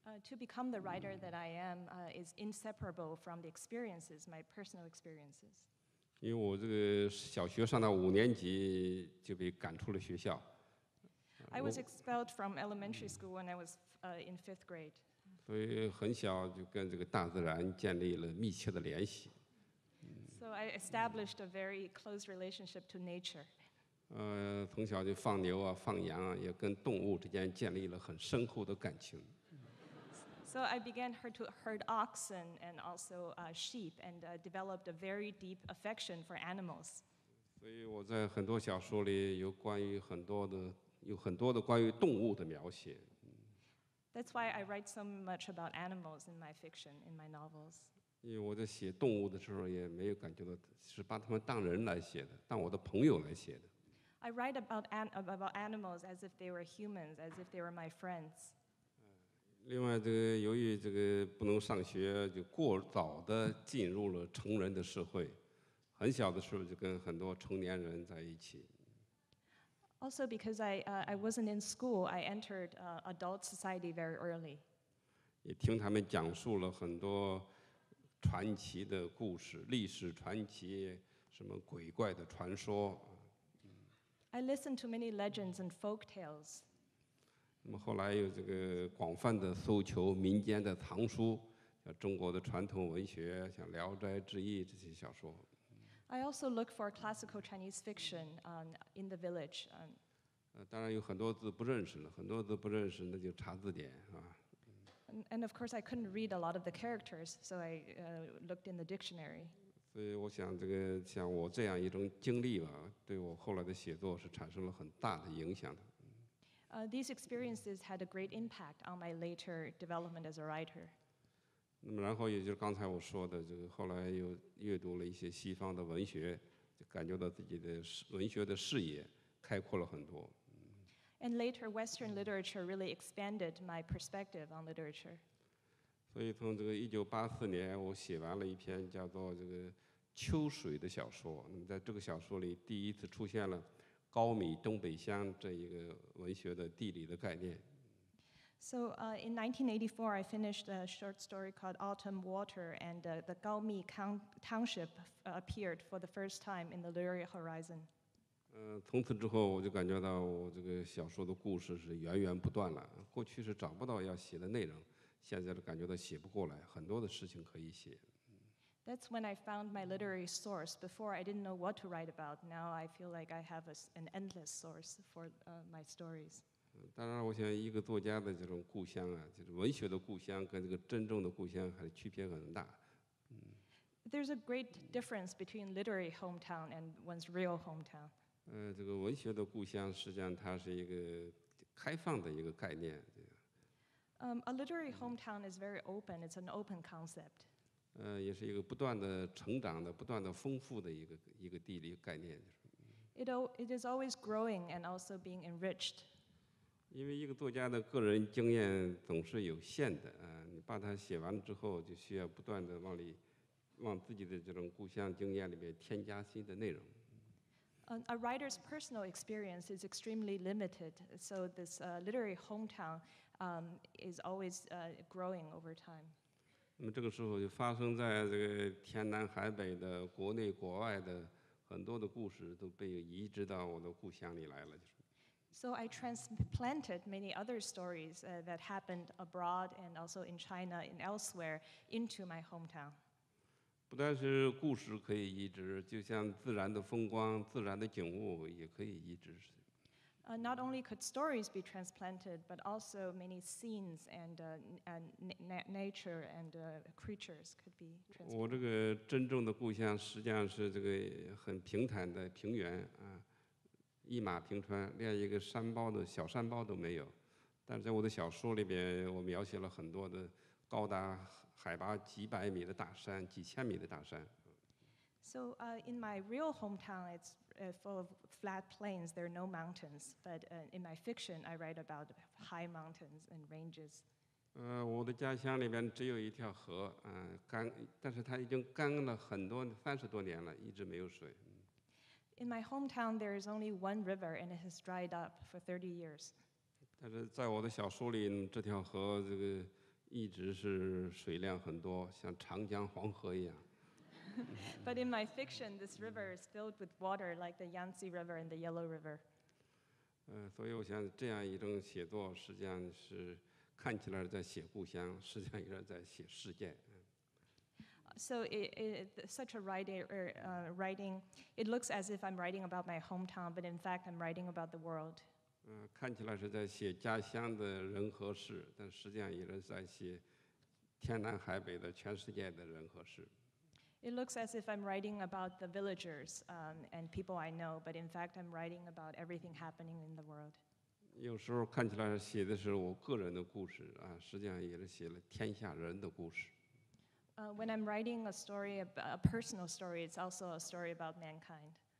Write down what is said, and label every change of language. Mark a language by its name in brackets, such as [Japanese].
[English] To become the writer that I am is inseparable from the experiences, my personal experiences. [Chinese] 因为我这个小学上到五年级就被赶出了学校。 [English] I was expelled from elementary school when I was in fifth grade. [Chinese] 所以很小就跟这个大自然建立了密切的联系。 [English] So I established a very close relationship to nature. [Chinese] 从小就放牛啊、放羊啊，也跟动物之间建立了很深厚的感情。 [English] So I began to herd oxen and also sheep and developed a very deep affection for animals. [Chinese] 所以我在很多小说里有关于很多的有很多的关于动物的描写。 [English] That's why I write so much about animals in my fiction, in my novels. [Chinese] 因为我在写动物的时候也没有感觉到是把他们当人来写的，当我的朋友来写的。 [English] I write about animals as if they were humans, as if they were my friends. [Chinese] 另外这个由于这个不能上学，就过早的进入了成人的社会，很小的时候就跟很多成年人在一起。 [English] Also because I wasn't in school, I entered adult society very early. [Chinese] 也听他们讲述了很多传奇的故事，历史传奇，什么鬼怪的传说。 [English] I listened to many legends and folk tales. [Chinese] 那么后来有这个广泛的搜求民间的藏书，像中国的传统文学，像《聊斋志异》这些小说。 [English] I also look for classical Chinese fiction in the village. [Chinese] 当然有很多字不认识了，很多字不认识，那就查字典啊。 [English] And of course, I couldn't read a lot of the characters, so I looked in the dictionary. [Chinese] 所以我想，这个像我这样一种经历吧，对我后来的写作是产生了很大的影响的。 [English] These experiences had a great impact on my later development as a writer. [Chinese] 那么，然后也就是刚才我说的，这个后来又阅读了一些西方的文学，就感觉到自己的文学的视野开阔了很多。 [English] And later, Western literature really expanded my perspective on literature. [Chinese] 所以从这个1984年，我写完了一篇叫做这个《秋水》的小说。那么在这个小说里，第一次出现了高米东北乡这一个文学的地理的概念。 [English] So in 1984, I finished a short story called Autumn Water, and the Gaomi Township appeared for the first time in the literary horizon. [Chinese] 从此之后，我就感觉到我这个小说的故事是源源不断了。过去是找不到要写的内容，现在感觉到写不过来，很多的事情可以写。 [English] That's when I found my literary source. Before, I didn't know what to write about. Now, I feel like I have an endless source for my stories. [Chinese] 当然我想一个作家的这种故乡啊，就是文学的故乡跟这个真正的故乡还是区别很大。 [English] There's a great difference between literary hometown and one's real hometown. [Chinese] 这个文学的故乡实际上它是一个开放的一个概念。 [English] A literary hometown is very open, it's an open concept. [Chinese] 也是一个不断的成长的，不断的丰富的一个地理概念。 [English] It is always growing and also being enriched. [Chinese] 因为一个作家的个人经验总是有限的，你把它写完之后，就需要不断的往自己的这种故乡经验里面添加新的内容。 [English] A writer's personal experience is extremely limited, so this literary hometown is always growing over time. [Chinese] 那么这个时候就发生在这个天南海北的国内国外的很多的故事都被移植到我的故乡里来了，就是。 [English] So I transplanted many other stories that happened abroad and also in China and elsewhere into my hometown. [Chinese] 不但是故事可以移植，就像自然的风光、自然的景物也可以移植。 [English] Not only could stories be transplanted, but also many scenes and nature and creatures could be transplanted. [Chinese] 我这个真正的故乡实际上是这个很平坦的平原啊。一马平川，连一个山包的小山包都没有。但是在我的小说里边，我描写了很多的高达海拔几百米的大山，几千米的大山。 [English] So, in my real hometown, it's full of flat plains. There are no mountains. But in my fiction, I write about high mountains and ranges. [Chinese] 我的家乡里边只有一条河，干，但是它已经干了很多30多年了，一直没有水。 [English] In my hometown, there is only one river, and it has dried up for 30 years. [Chinese] 但是在我的小说里，这条河这个一直是水量很多，像长江黄河一样。 [English] But in my fiction, this river is filled with water, like the Yangtze River and the Yellow River. [Chinese] 所以我想这样一种写作，实际上是看起来在写故乡，实际上也是在写世界。 [English] So such a writing, it looks as if I'm writing about my hometown, but in fact, I'm writing about the world. [Chinese] 看起来是在写家乡的人和事，但实际上也是在写天南海北的全世界的人和事。 [English] It looks as if I'm writing about the villagers and people I know, but in fact, I'm writing about everything happening in the world. [Chinese] 有时候看起来写的是我个人的故事啊，实际上也是写了天下人的故事。 [English] When I'm writing a story, a personal story, it's also a story about mankind.